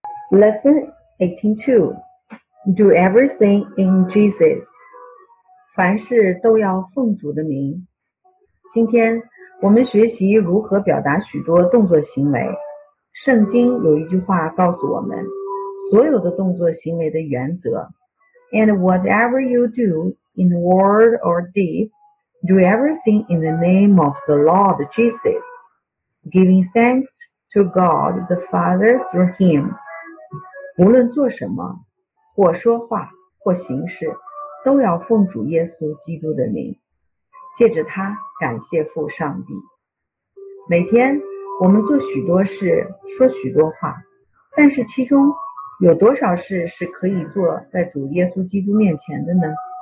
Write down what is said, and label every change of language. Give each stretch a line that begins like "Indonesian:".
English: Lesson 18.2. Do everything in Jesus.
Chinese: 凡事都要奉主的名。今天我们学习如何表达许多动作行为。圣经有一句话告诉我们，所有的动作行为的原则。
English: And whatever you do in word or deed, do everything in the name of the Lord Jesus, giving thanks to God the Father through him.
Chinese: 无论做什么，或说话，或行事，都要奉主耶稣基督的名，借着他感谢父上帝。每天我们做许多事，说许多话，但是其中有多少事是可以做在主耶稣基督面前的呢？